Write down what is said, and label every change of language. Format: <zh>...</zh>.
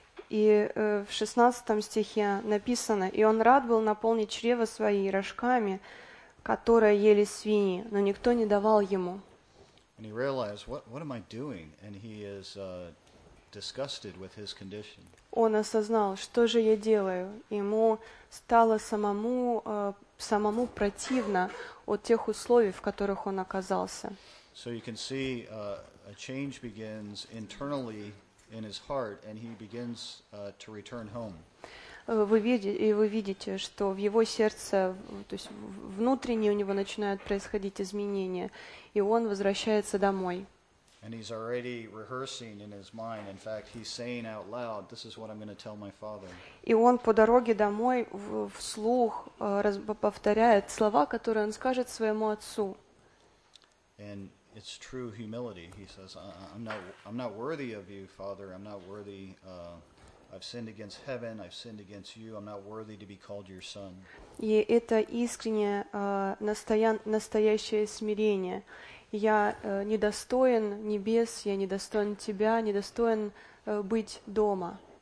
<ru>И в 16 стихе написано, и он рад был наполнить чрево свои рожками, которые ели свиньи, но никто не давал ему.</ru> <en>And he realized, what am I doing? And he is disgusted with his condition.</en> <ru>Он осознал, что же я делаю? Ему стало самому противно от тех условий, в которых он оказался.</ru> <en>So you can see a change begins internally in his heart, and he begins to return home.</en> <ru>Вы видите, что в его сердце, то есть внутренне у него начинают происходить изменения, и он возвращается домой.</ru> <en>And he's already rehearsing in his mind. In fact, he's saying out loud, "This is what I'm going to tell my father."</en> <ru>И он по дороге домой вслух повторяет слова, которые он скажет своему отцу.</ru> <en>And it's true humility. He says, "I'm not worthy of you, Father. I'm not worthy. I've sinned against heaven. I've sinned against you. I'm not worthy to be called your son."</en> <ru>И это искреннее настоящее смирение. Я недостоин небес, я недостоин тебя, недостоин быть дома.</ru>